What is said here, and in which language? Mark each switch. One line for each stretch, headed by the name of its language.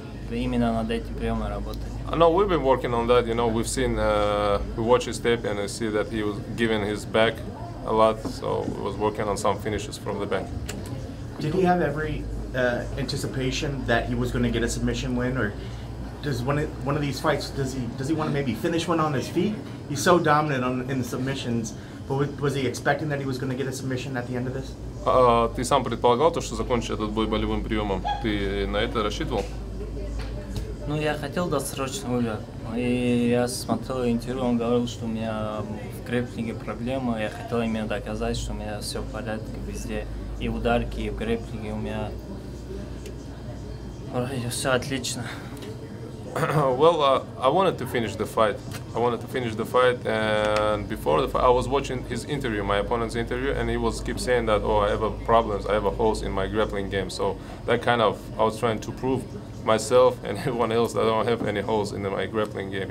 Russian: Именно над этим приемом работали.
English: No, we've been working on that. You know, we've seen, we watched his tape and we see that he was giving his back a lot. So we was working on some finishes from the back. Did he have every anticipation that he was going to get a submission win, or does one of these fights does he want to maybe finish one on his feet? He's so dominant in the submissions, but was he expecting that he was going to get a submission at the end of this?
Russian: Ты сам предполагал то, что закончишь этот бой болевым приемом? Ты на это рассчитывал? Ну, я хотел досрочно выиграть, и я смотрел интервью, он говорил, что у меня в грэпплинге проблемы, я хотел именно доказать, что у меня все в порядке везде, и ударки, и в грэпплинге у меня вроде все отлично.
English: Well, I wanted to finish the fight. I wanted to finish the fight, and before the fight, I was watching his interview, my opponent's interview, and he was keep saying that, oh, I have problems, I have holes in my grappling game. So that kind of, I was trying to prove myself and everyone else that I don't have any holes in my grappling game.